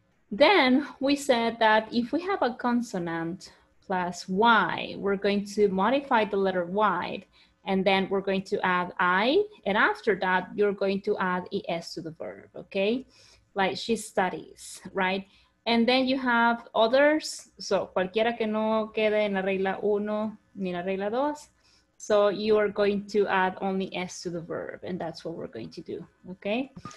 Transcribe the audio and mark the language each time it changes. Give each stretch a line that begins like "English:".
English: Then we said that if we have a consonant plus Y, we're going to modify the letter Y, and then we're going to add I, and after that, you're going to add ES to the verb, okay? Like she studies, right? And then you have others.
Spanish: So cualquiera que no quede en la regla uno ni la regla dos.
English: So you are going to add only S to the verb, and that's what we're going to do, okay?